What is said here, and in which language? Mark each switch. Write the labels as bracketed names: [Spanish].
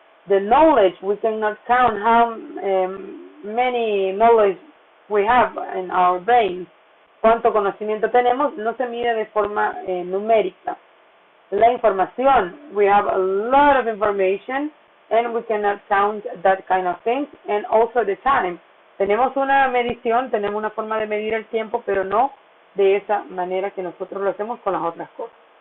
[English] The knowledge, we cannot count how many knowledge we have in our brain. [Spanish] Cuánto conocimiento tenemos, no se mide de forma numérica. La información, [English] we have a lot of information and we cannot count that kind of things. And also the time. [Spanish] Tenemos una medición, tenemos una forma de medir el tiempo, pero no de esa manera que nosotros lo hacemos con las otras cosas.